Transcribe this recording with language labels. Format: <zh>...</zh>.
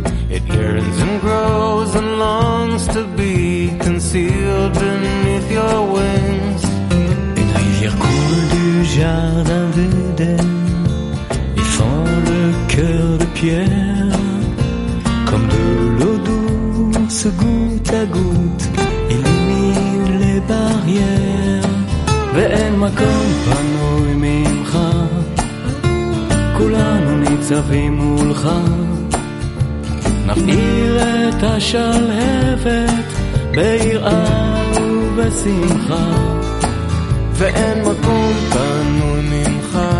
<en>It yearns and grows and longs to be concealed beneath your wings.</en> <fr>Une rivière coule du jardin d'Éden, y fend le cœur de pierre. Comme de l'eau douce, goutte à goutte, illumine les barrières.</fr> <he>Ve'en makom panoy mimcha. כולנו ניצבים מולך נפעיר את השלהבת ביראה ובשמחה ואין מקום פנוי ממך</he>